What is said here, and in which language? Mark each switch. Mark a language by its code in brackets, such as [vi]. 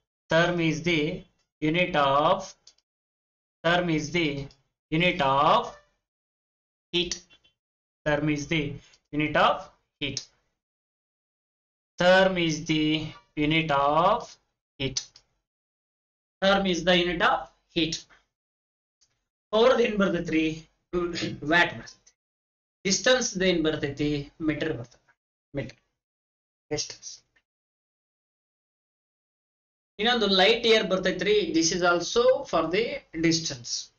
[en] Therm is the unit of, therm is the unit of heat. Therm is the unit of heat. Therm is the unit of heat. Therm is the unit of heat. [kn] Power than ಬರ್ತೈತ್ರಿ, watt ಬರ್ತೈತಿ. Distance than ಬರ್ತೈತಿ, metre ಬರ್ತ, metre. ಇನ್ನೊಂದು light year ಬರ್ತೈತ್ರಿ, [en] This is also for the distance.